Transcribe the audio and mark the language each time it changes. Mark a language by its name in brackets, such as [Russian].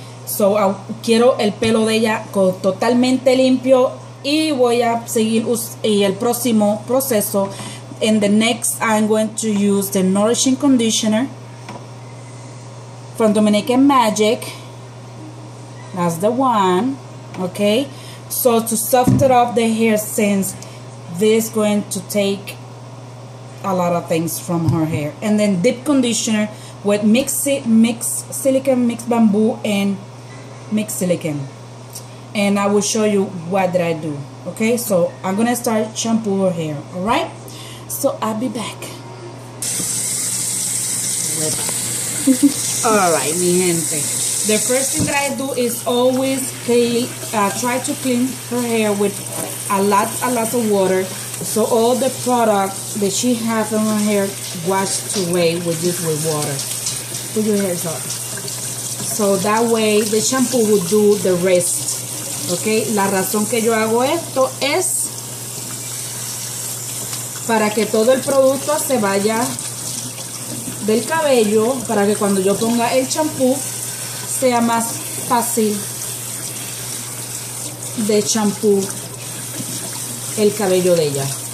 [Spanish] So quiero el pelo de ella totalmente limpio y voy a seguir y el próximo proceso. [English] In the next, I'm going to use the nourishing conditioner from Dominican Magic. That's the one. Okay. So to soften up the hair, since this is going to take a lot of things from her hair. And then deep conditioner with mixed silicone, mixed bamboo. And I will show you what did I do. Okay, so I'm gonna start shampoo her hair, all right? So I'll be back. All right, [Spanish] mi gente. [English] The first thing that I do is always try to clean her hair with a lot of water, so all the product that she has on her hair washed away with water. Put your hair up. So that way the shampoo will do the rest. [Spanish] Okay, la razón que yo hago esto es para que todo el producto se vaya del cabello, para que cuando yo ponga el shampoo sea más fácil de shampoo el cabello de ella.